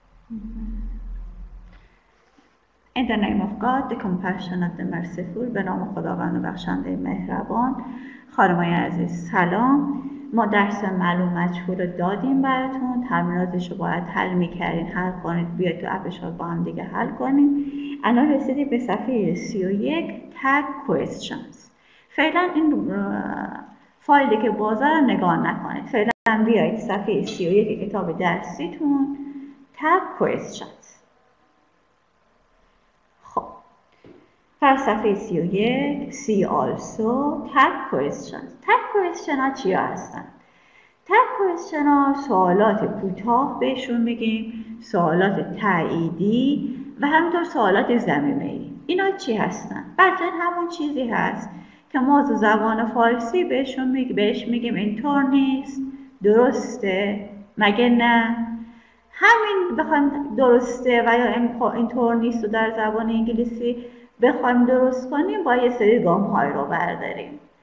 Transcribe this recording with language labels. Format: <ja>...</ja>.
<en>In the name of God, the compassionate, the merciful,</en> <fa>به نام خداوند بخشنده مهربان. خانم های عزیز سلام، ما درس معلوم مجهول رو دادیم براتون، تمریناتش رو باید حل میکردین، حل کنید، بیاید تو اپش رو با هم دیگه حل کنیم. الان رسیدیم به صفحه 31 tag questions. فعلا این فایلی که بازه رو نگاه نکنید، فعلا بیایید صفحه 31 کتاب درسیتون tag questions. فلسفه 31، see also، tag questions. tag questions ها چی هستن؟ tag questions ها سوالات کوتاه بهشون میگیم، سوالات تاییدی و همینطور سوالات زمینه ای. اینا چی هستن؟ بلکه همون چیزی هست که ما تو زبان فارسی بهشون میگیم، بهش میگیم اینطور نیست، درسته، مگه نه؟ همین بخوایم درسته و یا اینطور نیست و در زبان انگلیسی بخوایم درست کنیم، باید یه سری گام های رو برداریم.</fa>